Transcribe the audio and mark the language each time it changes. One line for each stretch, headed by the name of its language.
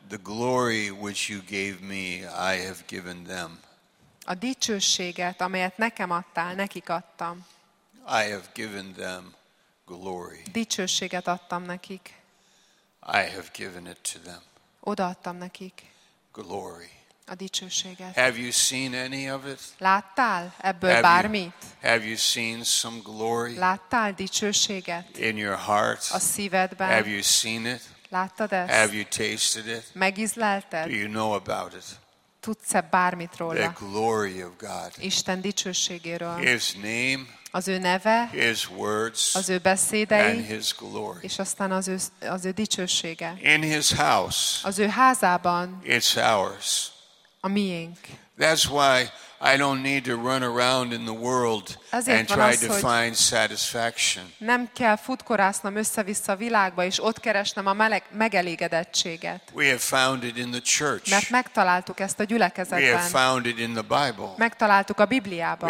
English: The glory which you gave me, I have given them.
Hungarian: A dicsőséget, amelyet nekem adtál, nekik adtam.
English: I have given them glory.
Hungarian: Dicsőséget adtam nekik.
English: I have given it to them.
Hungarian: Odaadtam nekik.
English: Glory.
Hungarian: A dicsőséget.
English: Have you seen any of it?
Hungarian: Láttál ebből bármit?
English: Have you seen some glory?
Hungarian: Láttál dicsőséget?
English: In your heart?
Hungarian: A szívedben?
English: Have you seen it?
Hungarian: Láttad ezt?
English: Have you tasted it?
Hungarian: Megízlelted?
English: Do you know about it?
Hungarian: tudsz-e bármit róla?
English: The glory of God.
Hungarian: Isten dicsőségéről.
English: His name.
Hungarian: Az ő neve.
English: His words.
Hungarian: Az ő beszédei.
English: And his glory.
Hungarian: És aztán az ő dicsősége.
English: In his house.
Hungarian: Az ő házában.
English: It's ours.
Hungarian: A miénk.
English: That's why I don't need to run around in the world and try to find satisfaction.
Hungarian: Nem kell futkorásznom össze-vissza a világba és ott keresnem a megelégedettséget.
English: We have found it in the church.
Hungarian: Mert megtaláltuk ezt a gyülekezetben.
English: We have found it in the Bible.
Hungarian: Megtaláltuk a Bibliában.